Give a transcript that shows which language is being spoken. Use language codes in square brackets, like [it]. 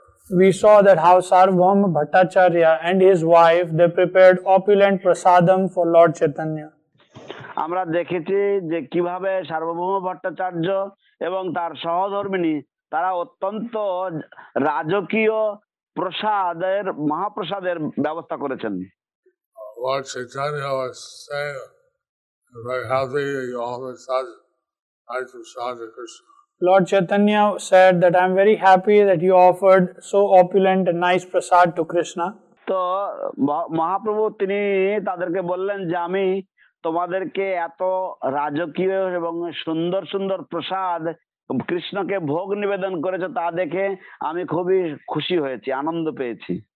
[en] We saw that how Sarvabhauma Bhattacharya and his wife, they prepared opulent prasadam for Lord Chaitanya. [bn] আমরা দেখেছি যে কিভাবে সার্বভৌম ভট্টাচার্য এবং তার সহধর্মিণী তারা অত্যন্ত রাজকীয় প্রসাদের মহাপ্রসাদের ব্যবস্থা করেছেন. [en] Lord Chaitanya was saying, very happy, you offer such nice prasad to Krishna. Lord Chaitanya said that I am very happy that you offered so opulent and nice prasad to Krishna. [bn] তো মহাপ্রভু তিনি তাদেরকে বললেন যে আমি তোমাদেরকে এত রাজকীয় এবং সুন্দর সুন্দর প্রসাদ কৃষ্ণকে ভোগ নিবেদন করেছো তা দেখে আমি খুবই খুশি হয়েছি, আনন্দ পেয়েছি.